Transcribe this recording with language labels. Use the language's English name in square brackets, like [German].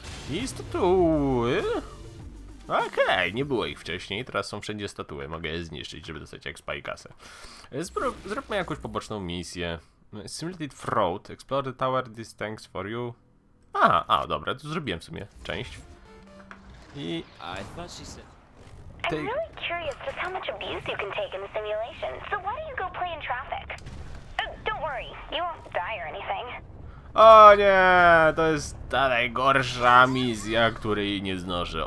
[Polish] I statuły? Okej, nie było ich wcześniej, teraz są wszędzie statuły. Mogę je zniszczyć, żeby dostać expa i kasę. Zróbmy jakąś poboczną misję. [English] Simulated Fraud. Explore the tower, this thanks for you. [Polish] A, dobra, tu zrobiłem w sumie część. I... [English] I'm really curious just how much abuse you can take in the simulation. So why do you go play in traffic? Don't worry, you won't die or anything. [Polish] O nie, to jest ta najgorsza misja, której nie znoszę.